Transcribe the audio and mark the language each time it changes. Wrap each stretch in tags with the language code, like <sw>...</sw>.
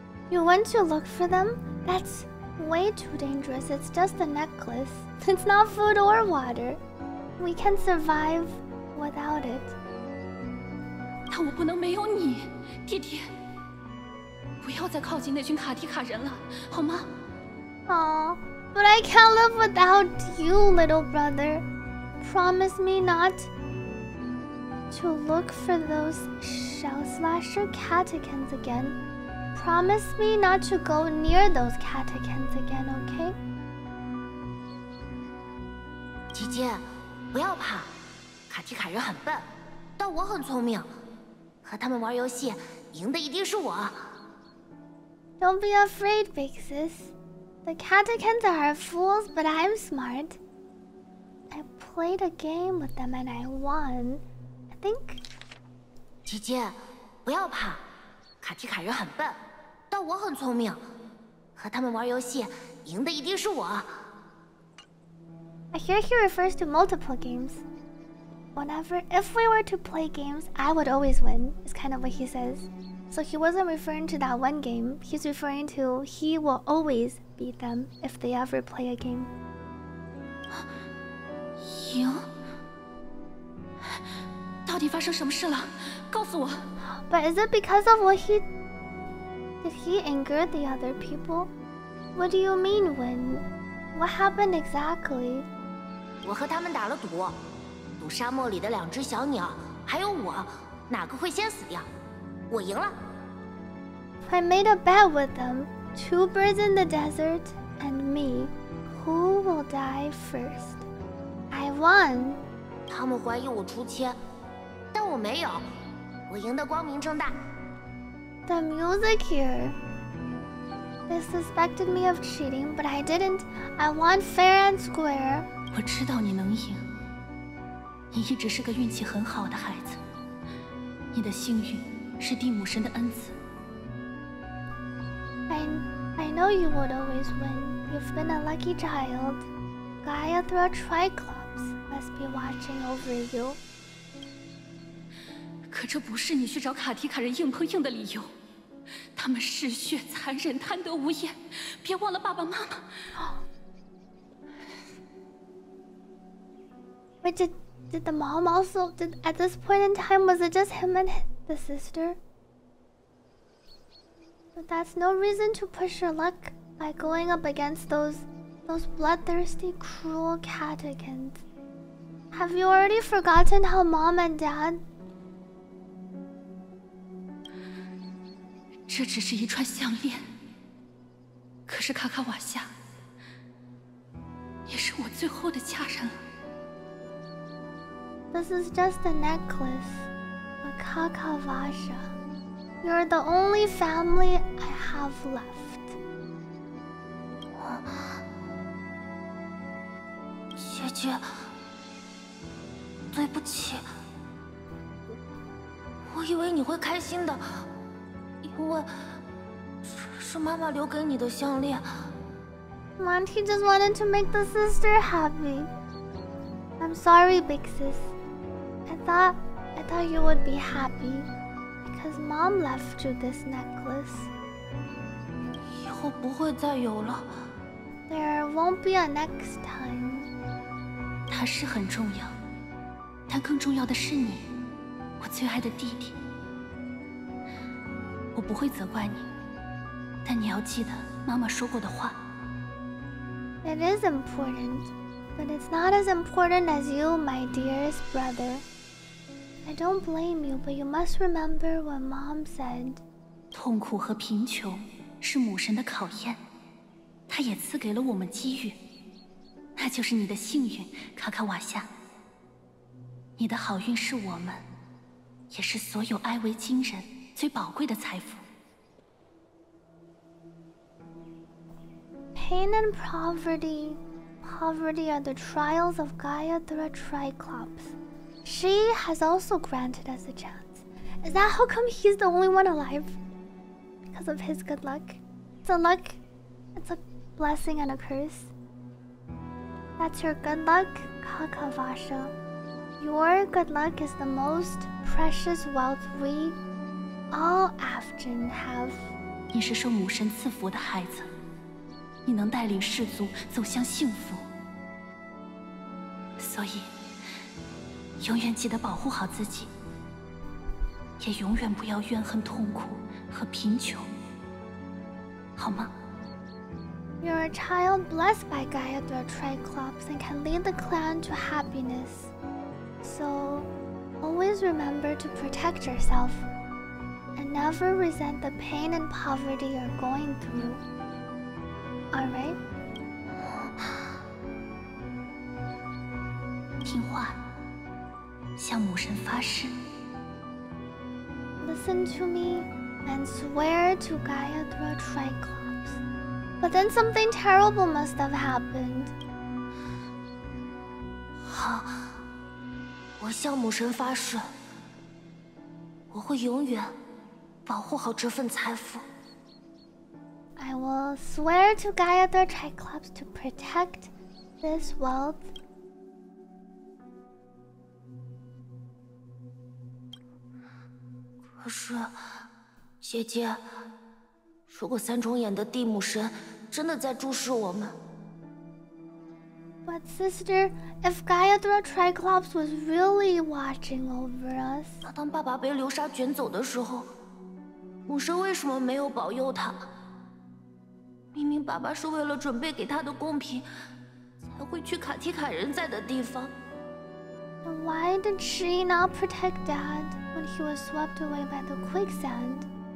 <en>You went to look for them? That's way too dangerous. It's just a necklace. It's not food or water. We can survive without it.</en> <zh>但我不能没有你，弟弟。不要再靠近那群卡迪卡人了，好吗？</zh> <en>Aww, but I can't live without you, little brother. Promise me not to look for those shell slasher catechins again. Promise me not to go near those catechins again, okay?</en> <zh>姐姐。不要怕，卡提卡人很笨，但我很聪明。和他们玩游戏，赢的一定是我。</zh> <en>Don't be afraid, big sis. The catechins are fools, but I'm smart. I played a game with them and I won. I think.</en> <zh>姐姐，不要怕，卡提卡人很笨，但我很聪明。和他们玩游戏，赢的一定是我。</zh> <en>I hear he refers to multiple games. Whenever, if we were to play games, I would always win, is kind of what he says. So he wasn't referring to that one game, he's referring to he will always beat them if they ever play a game. You?</en> <zh>到底发生什么事了？告诉我。</zh> <en>But is it because of what he... Did he anger the other people? What do you mean win? What happened exactly?</en> <zh>我和他们打了赌，赌沙漠里的两只小鸟，还有我，哪个会先死掉？我赢了。</zh> <en>I made a bet with them, two birds in the desert and me, who will die first? I won.</en> <zh>他们怀疑我出千，但我没有，我赢得光明正大。</zh> <en>The music here. They suspected me of cheating, but I didn't. I won fair and square.</en> <zh>我知道你能赢，你一直是个运气很好的孩子，你的幸运是地母神的恩赐。</zh> <en>I know you would always win. You've been a lucky child. Gaia through a triclops must be watching over you.</en> <zh>可这不是你去找卡提卡人硬碰硬的理由。他们嗜血残忍，贪得无厌，别忘了爸爸妈妈。</zh> <en>Wait, did the mom also, did, at this point in time, was it just him and the sister? But that's no reason to push your luck by going up against those bloodthirsty, cruel catechins. Have you already forgotten how mom and dad...?</en> <zh>这只是一串项链。可是卡卡瓦夏，也是我最后的家人了。</zh> <en>This is just a necklace, a kakavasha. You're the only family I have left.</en> <zh>姐姐，对不起，我以为你会开心的，因为是妈妈留给你的项链。</zh> <en>Monty just wanted to make the sister happy. I'm sorry, big sis. I thought you would be happy because mom left you this necklace.</en> <zh>以后不会再有了。</zh> <en>There won't be a next time.</en> <zh>他是很重要，但更重要的是你，我最爱的弟弟。我不会责怪你，但你要记得妈妈说过的话。</zh> <en>It is important, but it's not as important as you, my dearest brother. I don't blame you, but you must remember what mom said.</en> <zh>痛苦和贫穷是母神的考验，她也赐给了我们机遇，那就是你的幸运，卡卡瓦夏。你的好运是我们，也是所有埃维金人最宝贵的财富。</zh> <en>Pain and poverty, poverty are the trials of Gaia through a triclops. She has also granted us a chance. Is that how come he's the only one alive? Because of his good luck? It's a luck. It's a blessing and a curse. That's your good luck, Kaka Vasha. Your good luck is the most precious wealth we, all Afjin, have.</en> <zh>你是受母神赐福的孩子，你能带领氏族走向幸福，所以。永远记得保护好自己，也永远不要怨恨痛苦和贫穷，好吗？</zh> <en>You're a child blessed by Gaia the Triclops and can lead the clan to happiness. So, always remember to protect yourself and never resent the pain and poverty you're going through. All right?</en> <zh>听话。向母神发誓。</zh> <en>Listen to me and swear to Gaia through a triclops. But then something terrible must have happened.</en> <zh>好，我向母神发誓，我会永远保护好这份财富。</zh> <en>I will swear to Gaia through a triclops to protect this wealth.</en> <zh>可是，姐姐，如果三重眼的地母神真的在注视我们</zh> <en>，But sister, if Gaia the Triclops was really watching over us，</en> <zh>那当爸爸被流沙卷走的时候，母神为什么没有保佑他？明明爸爸是为了准备给他的贡品，才会去卡提卡人在的地方。</zh> <en>Then why did she not protect Dad when he was swept away by the quicksand?</en>